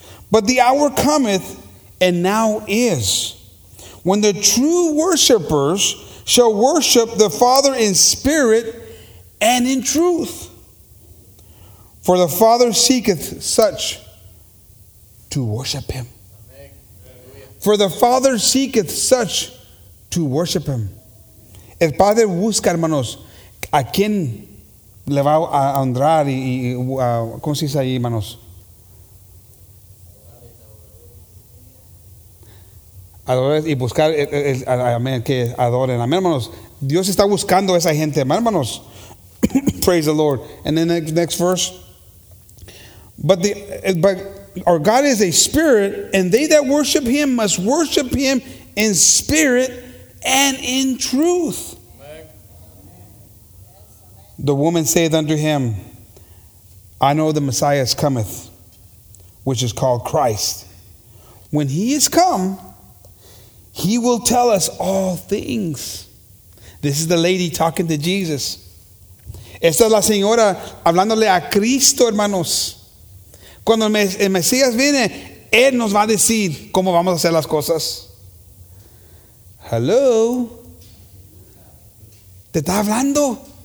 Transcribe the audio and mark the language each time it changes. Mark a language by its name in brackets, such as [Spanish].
[English] But the hour cometh, and now is, when the true worshipers shall worship the Father in spirit and in truth. For the Father seeketh such to worship him. For the Father seeketh such to worship him. [Spanish] El Padre busca, hermanos, a quien le va a honrar y ¿cómo se dice ahí, hermanos? adorar y buscar amén, que adoren. Amén, hermanos. Dios está buscando a esa gente, hermanos. [English] Praise the Lord. And then next verse. But our God is a spirit, and they that worship him must worship him in spirit and in truth. The woman saith unto him, I know the Messiah is cometh, which is called Christ. When he is come, he will tell us all things. This is the lady talking to Jesus. [Spanish] Esta es la señora hablándole a Cristo, hermanos. Cuando el Mesías viene, él nos va a decir cómo vamos a hacer las cosas. [English] Hello. [Spanish] Te está hablando.